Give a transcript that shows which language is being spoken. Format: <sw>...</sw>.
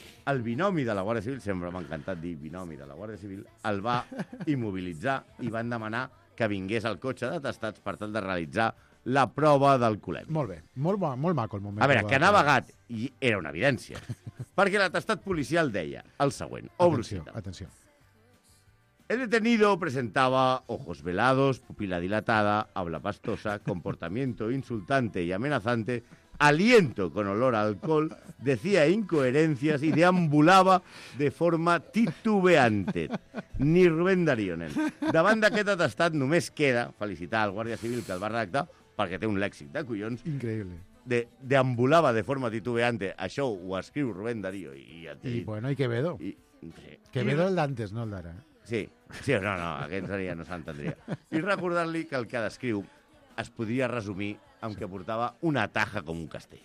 <ca>El binomi de la Guàrdia Civil, sempre m'ha encantat dir binomi de la Guàrdia Civil, el va immobilitzar i van demanar que vingués al cotxe d'atestats per tal de realitzar la prova d'alcoholèmia. Molt bé, molt, molt maco el moment. A veure, que anava agat, i era una evidència, perquè l'atestat policial deia el següent, obro cita. Atenció, atenció.</ca> <es>El detenido presentaba ojos velados, pupila dilatada, habla pastosa, comportamiento insultante y amenazante, aliento con olor a alcohol, decía incoherencias y deambulaba de forma titubeante.</es> <ca>Ni Rubén Darío, nen. Davant d'aquest atestat només queda felicitar al Guàrdia Civil que el va redactar, perquè té un lèxic de collons. Increïble.</ca> <es>Deambulaba de forma titubeante.</es> <ca>Això ho escriu Rubén Darío. I bueno, i Quevedo. Sí. Quevedo el d'antes, no el d'ara. Sí. Sí, no, aquest seria, no s'entendria. I recordar-li que el que descriu es podria resumir amb que portava una taja com un castell.</ca>